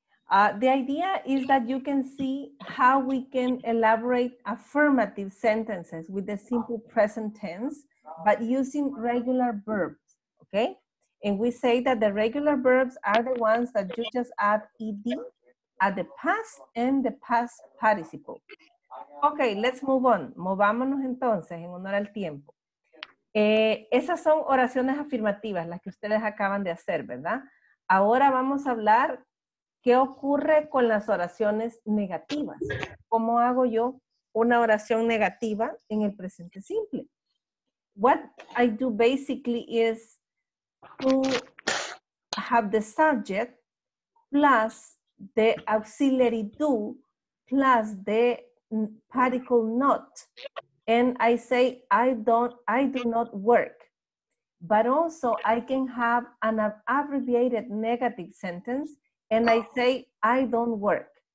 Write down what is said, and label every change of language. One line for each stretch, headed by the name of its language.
English: The idea is that you can see how we can elaborate affirmative sentences with the simple present tense, but using regular verbs, okay? And we say that the regular verbs are the ones that you just add ed at the past and the past participle. Okay, let's move on.
Spanish: Movámonos entonces en honor al tiempo. Esas son oraciones afirmativas, las que ustedes acaban de hacer, ¿verdad? Ahora vamos a hablar qué ocurre con las oraciones negativas. ¿Cómo hago yo una oración negativa en el presente simple?
English: What I do basically is to have the subject plus the auxiliary do plus the particle not. And I say, I do not work. But also, I can have an abbreviated negative sentence, and I say, I don't work.